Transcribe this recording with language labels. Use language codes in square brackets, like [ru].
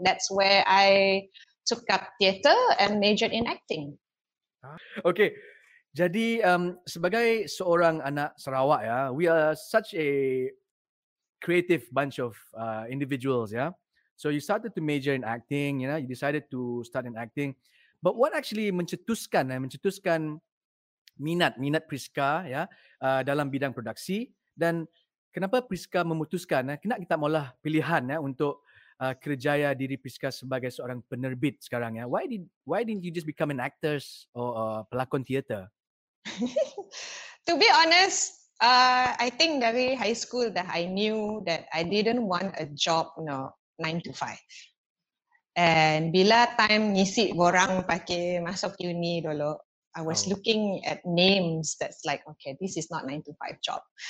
[en] That's where I took up theatre and majored in acting. Okay. Jadi sebagai seorang anak Sarawak ya, we are such a creative bunch of individuals, yeah. So you started to major in acting, you know, you decided to start in acting. [ms] But what actually mencetuskan minat Prisca ya dalam bidang produksi, dan kenapa Prisca memutuskan kenapa kita mula pilihan ya untuk kerjaya diri Prisca sebagai seorang penerbit sekarang ya? [en] Why didn't you just become an actors or pelakon teater? To be honest, I think dari high school that I knew that I didn't want a job, you know, 9 to 5. And bila time ngisi borang pakai masuk uni dulu, I was looking at names that's like, okay, this is not 9 to 5 job.